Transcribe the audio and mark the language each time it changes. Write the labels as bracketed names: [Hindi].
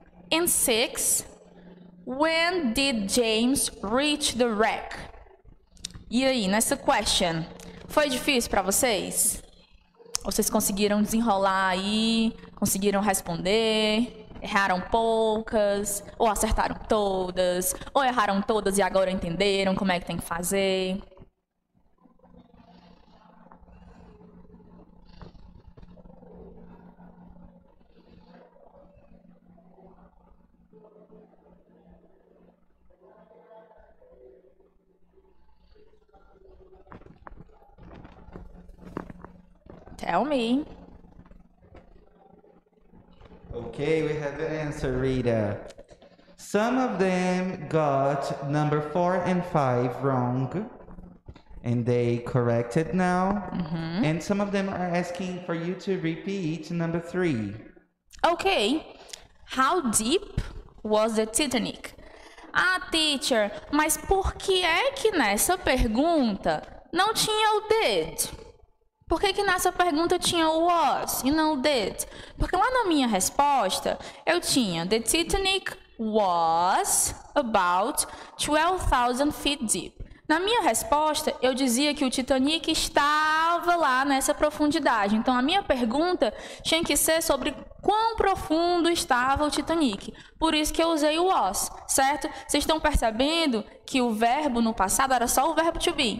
[English] And six, when did James reach the wreck? [Portuguese] E aí, nessa question, foi difícil para vocês? Vocês conseguiram desenrolar aí, conseguiram responder? Erraram poucas, ou acertaram todas, ou erraram todas e agora entenderam como é que tem que fazer. [English] Tell me. Okay, we have an answer, Rita. Some of them got number four and five wrong, and they corrected now. Mm-hmm. And some of them are asking for you to repeat number three. Okay, how deep was the Titanic? [Portuguese] Ah, teacher, mas por que é que nessa pergunta não tinha o did? Por que que nessa pergunta tinha o was e não o did? Porque lá na minha resposta, eu tinha [English] the Titanic was about 12,000 feet deep. [Portuguese] Na minha resposta, eu dizia que o Titanic estava lá nessa profundidade. Então, a minha pergunta tinha que ser sobre quão profundo estava o Titanic. Por isso que eu usei o was, certo? Vocês estão percebendo que o verbo no passado era só o verbo to be.